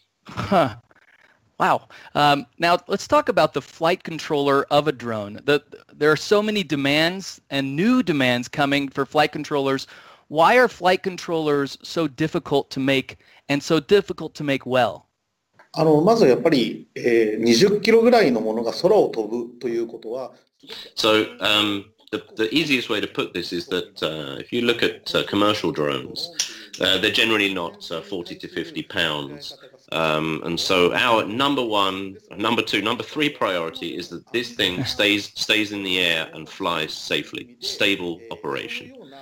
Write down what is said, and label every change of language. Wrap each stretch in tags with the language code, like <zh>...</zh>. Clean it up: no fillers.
<en>Huh. Wow. Now let's talk about the flight controller of a drone. There are so many demands and new demands coming for flight controllers. Why are flight controllers so difficult to make and so difficult to make well?</en> <ja>まずやっぱり、20キロぐらいのものが空を飛ぶということは。</ja> <en>So, the easiest way to put this is that if you look at commercial drones, they're generally not 40 to 50 pounds. And so our number one, number two, number three priority is that this thing stays in the air and flies safely, stable operation.</en>